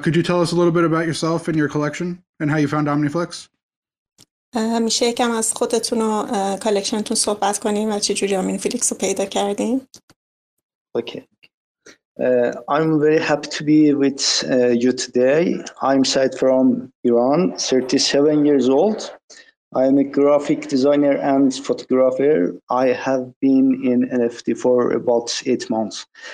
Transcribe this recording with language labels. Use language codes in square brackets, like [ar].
[en] Could you tell us a little bit about yourself and your collection and how you found OmniFlix? [fa] میشه یکم از خودتون و کالکشنتون صحبت کنیم و چه جوری OmniFlix رو پیدا کردین؟ [en] Okay. I'm very happy to be with you today. I'm Saeed from Iran, 37 years old. I'm a graphic designer and photographer. I have been in NFT for about 8 months.